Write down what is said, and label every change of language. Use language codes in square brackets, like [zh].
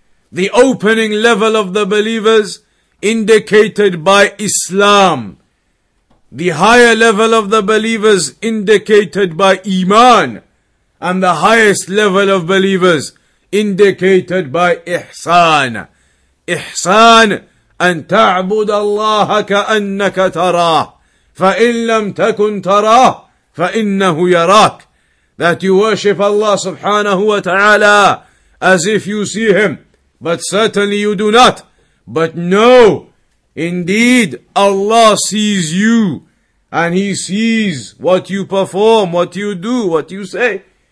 [en] The opening level of the believers indicated by Islam. The higher level of the believers indicated by Iman. And the highest level of believers indicated by Ihsan. [ar] Ihsan, أن تعبد الله كأنك تراه فإن لم تكن تراه فإنه يراك. [en] That you worship Allah subhanahu wa ta'ala as if you see Him, but certainly you do not. But know, indeed, Allah sees you, and He sees what you perform, what you do, what you say.